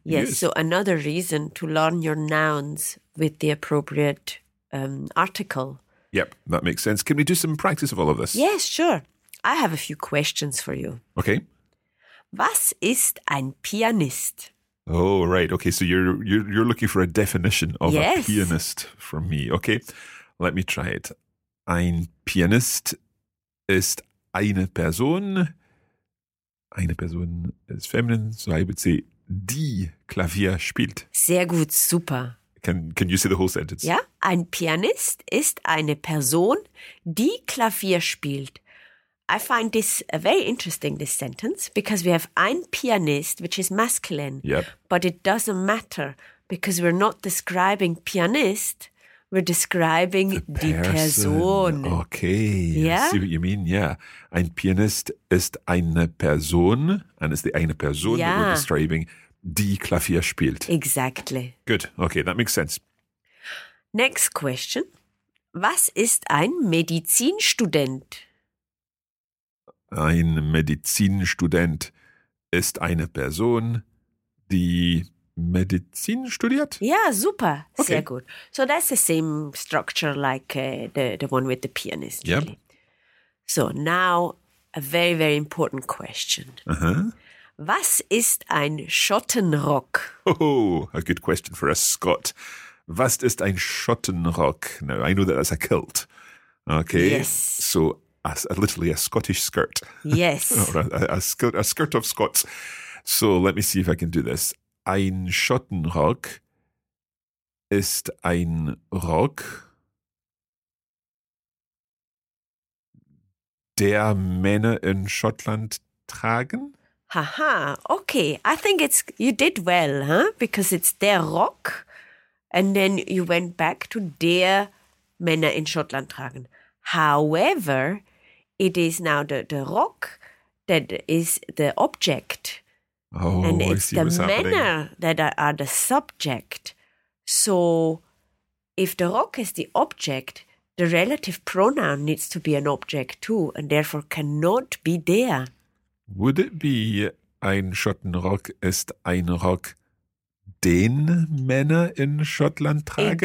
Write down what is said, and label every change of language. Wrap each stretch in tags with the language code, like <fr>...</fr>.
<en>Yes, so another reason to learn your nouns with the appropriate article. Yep, that makes sense. Can we do some practice of all of this? Yes, sure. I have a few questions for you. Okay.</en> <de>Was ist ein Pianist?</de> <en>Oh, right. Okay, so you're looking for a definition of a pianist from me. Okay, let me try it.</en> <de>Ein Pianist ist eine Person. Eine Person ist feminine,</de> <en>so I would say,</en> <de>die Klavier spielt. Sehr gut, super.</de> <en>Can you say the whole sentence?</en> <de>Ja, ein Pianist ist eine Person, die Klavier spielt.</de> <en>I find this a very interesting, this sentence, because we have ein Pianist, which is masculine. Yep. But it doesn't matter, because we're not describing pianist, we're describing the person.</en> <de>Die Person.</de> <en>Okay, yeah? I see what you mean, yeah.</en> <de>Ein Pianist ist eine Person,</de> <en>and it's the</en> <de>eine Person</de> <en>that we're describing,</en> <de>die Klavier spielt.</de> <en>Exactly. Good, okay, that makes sense. Next question.</en> <de>Was ist ein Medizinstudent? Ein Medizinstudent ist eine Person, die Medizin studiert? Ja, super. Okay. Sehr gut.</de> <en>So that's the same structure like the one with the pianist. Yep. So now a very, very important question. Uh-huh.</en> <de>Was ist ein Schottenrock?</de> <en>Oh, a good question for a Scot.</en> <de>Was ist ein Schottenrock?</de> <en>Now, I know that that's a kilt. Okay. Yes. So literally a Scottish skirt. Yes. Or a skirt of Scots. So let me see if I can do this.</en> <de>Ein Schottenrock ist ein Rock, der Männer in Schottland tragen.</de> <en>Haha, okay. I think it's you did well, huh? Because it's der Rock and then you went back to</en> <de>der Männer in Schottland tragen.</de> <en>However, it is now the Rock that is the object. Oh, and I it's see the what's manner happening. That are the subject. So if the rock is the object, the relative pronoun needs to be an object too, and therefore cannot be der. Would it be</en> <de>ein Schottenrock ist ein Rock, den Männer in Schottland tragen?</de>